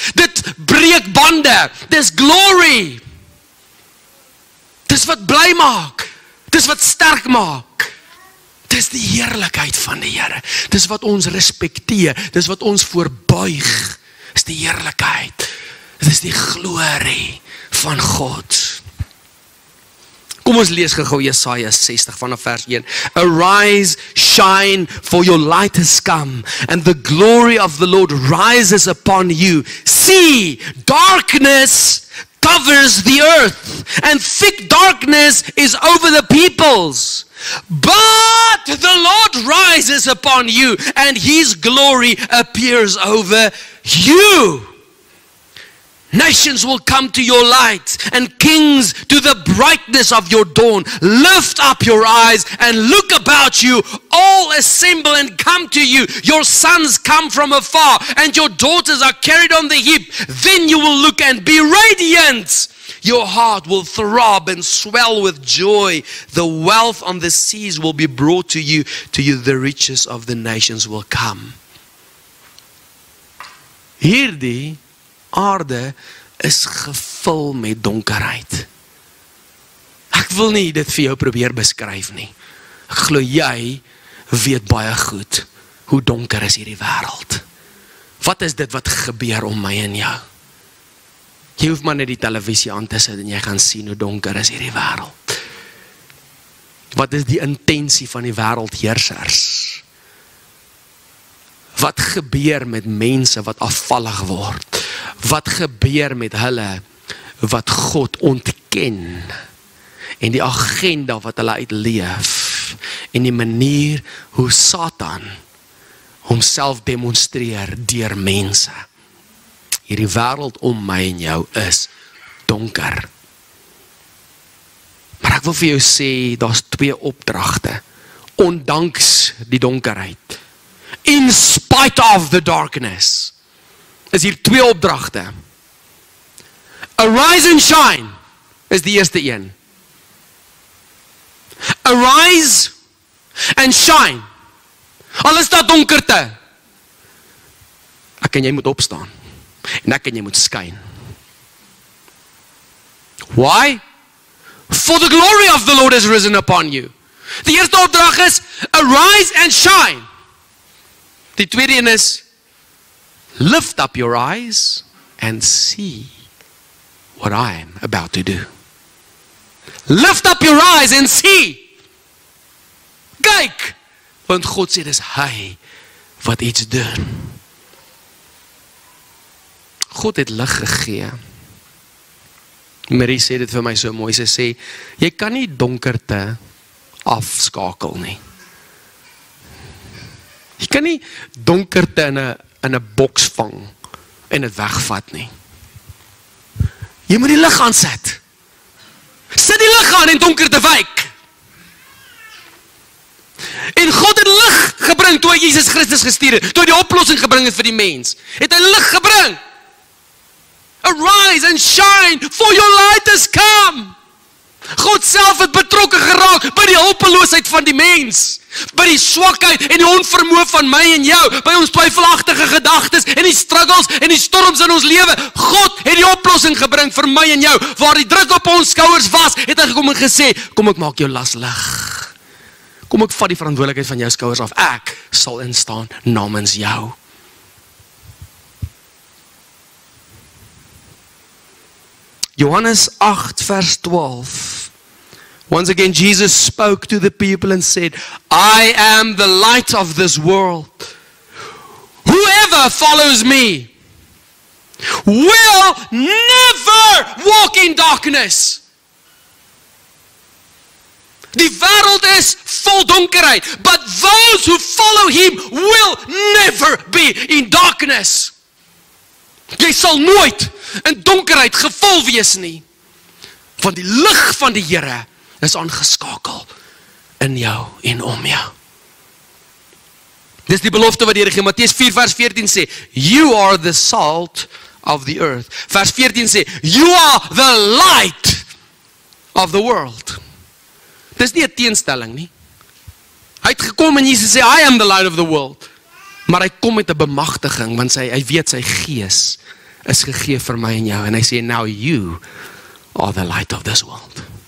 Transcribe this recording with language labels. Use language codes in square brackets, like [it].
[af] Dit breek bande. Dis glory. Dis wat bly maak. Dis wat sterk maak. Dis die heerlikheid van die Here. Dis wat ons respekteer. Dis wat ons voorbuig. Dis die heerlikheid. Dit is die glorie van God. Kom ons lees gou Jesaja 60 vanaf vers 1. [en] Arise, shine, for your light has come, and the glory of the Lord rises upon you. See, darkness covers the earth, and thick darkness is over the peoples. But the Lord rises upon you, and his glory appears over you. Nations will come to your light and kings to the brightness of your dawn. Lift up your eyes and look about you. All assemble and come to you. Your sons come from afar and your daughters are carried on the hip. Then you will look and be radiant. Your heart will throb and swell with joy. The wealth on the seas will be brought to you. To you the riches of the nations will come. Hear thee. [af] Aarde is gevul met donkerheid. Ek wil nie dit vir jou probeer beskryf nie. Ek glo jy weet baie goed hoe donker is hierdie wêreld. Wat is dit wat gebeur om my en jou? Jy hoef maar net die televisie aan te sit en jy gaan sien hoe donker is hierdie wêreld. Wat is die intensie van die wêreldheersers? Wat gebeur met mense wat afvallig word? Wat gebeur met hulle wat God ontken en die agenda wat hulle uitleef en die manier hoe Satan homself demonstreer deur mense. Hierdie wêreld om my en jou is donker. Maar ek wil vir jou sê, daar's twee opdragte. Ondanks die donkerheid. [en] In spite of the darkness. [af] Is hier twee opdragte. [en] Arise and shine [af] is die eerste een. [en] Arise and shine. [af] Al is daar donkerte. Ek en jy moet opstaan. En ek en jy moet skyn. [en] Why? For the glory of the Lord has risen upon you. [af] Die eerste opdrag is [en] arise and shine. [af] Die tweede een is [en] lift up your eyes and see what I am about to do. Lift up your eyes and see. [af] Kyk, want God sê dis hy wat iets doen. God het lig gegee. Marie sê dit vir my so mooi. Sy sê, jy kan nie donkerte afskakel nie. Jy kan nie donkerte in 'n boks vang en het wegvat nie. Jy moet die lig aan sit. Sit die lig aan en donkerte wyk. En God het lig gebring toe hy Jesus Christus gestuur het, toe hy die oplossing gebring het vir die mens. Het hy lig gebring. [en] Arise and shine, for your light has come. [af] God self het betrokke geraak by die hulpeloosheid van die mens, by die swakheid en die onvermoë van my en jou, by ons twyfelagtige gedagtes en die struggles en die storms in ons lewe. God het die oplossing gebring vir my en jou. Waar die druk op ons skouers was, het hy gekom en gesê, kom ek maak jou las lig. Kom ek vat die verantwoordelikheid van jou skouers af. Ek sal instaan namens jou. Johannes 8 vers 12. [en] Once again Jesus spoke to the people and said, I am the light of this world. Whoever follows me will never walk in darkness. [af] Die wêreld is vol donkerheid, [en] but those who follow him will never be in darkness. [af] Jy sal nooit in donkerheid gevul wees nie. Want die lig van die Here is aangeskakel in jou en om jou. Dis die belofte wat die Here gee. Matteus 4 vers 14 sê, [en] you are the salt of the earth. [af] Vers 14 sê, [en] you are the light of the world. [af] Dis nie 'n teenstelling nie. Hy het gekom en Jesus sê [en] I am the light of the world. [af] Maar hy kom met 'n bemagtiging want hy weet sy gees is gegee vir my en jou en hy sê [en] now you are the light of this world.